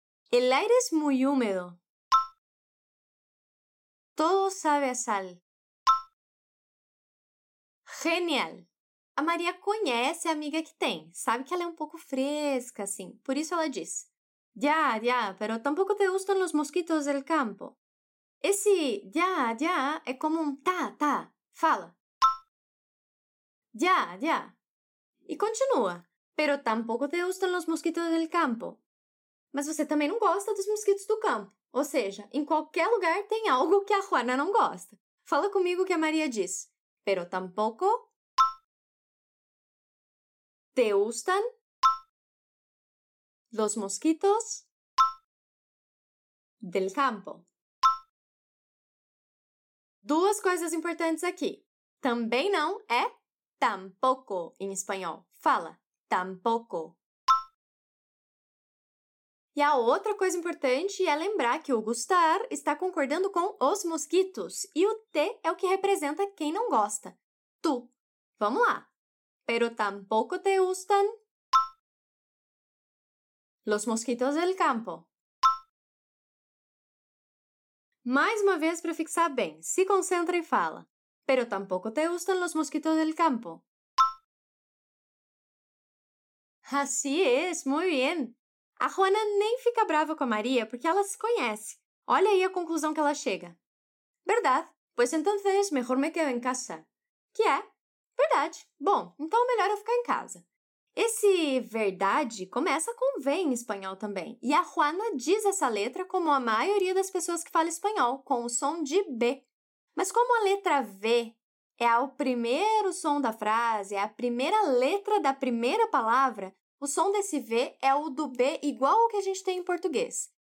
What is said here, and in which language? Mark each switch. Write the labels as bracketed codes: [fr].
[es] El aire es muy húmedo. Todo sabe a sal. Genial! [pt] A Maria conhece a amiga que tem. Sabe que ela é um pouco fresca, assim. Por isso ela diz. [es] Ya, pero tampoco te gustan los mosquitos del campo. [pt] Esse ya é como um tá. Fala. Ya. E continua. [es] Pero tampoco te gustan los mosquitos del campo. [pt] Mas você também não gosta dos mosquitos do campo. Ou seja, em qualquer lugar tem algo que a Juana não gosta. Fala comigo o que a Maria diz. [es] Pero tampoco te gustan los mosquitos del campo. [pt] Duas coisas importantes aqui. Também não é tampoco em espanhol. Fala, tampoco. E a outra coisa importante é lembrar que o gustar está concordando com os mosquitos. E o T é o que representa quem não gosta. Tu. Vamos lá. [es] Pero tampoco te gustan los mosquitos del campo. [pt] Mais uma vez para fixar bem. Se concentra e fala. [es] Pero tampoco te gustan los mosquitos del campo. Así es, muy bien. [pt] A Juana nem fica brava com a Maria porque ela se conhece. Olha aí a conclusão que ela chega. Verdade. [es] Pues entonces mejor me quedo en casa. [pt] Que é? Verdade. Bom, então é melhor eu ficar em casa. Esse verdade começa com V em espanhol também. E a Juana diz essa letra como a maioria das pessoas que fala espanhol, com o som de B. Mas como a letra V é o primeiro som da frase, é a primeira letra da primeira palavra, o som desse V é o do B igual ao que a gente tem em português.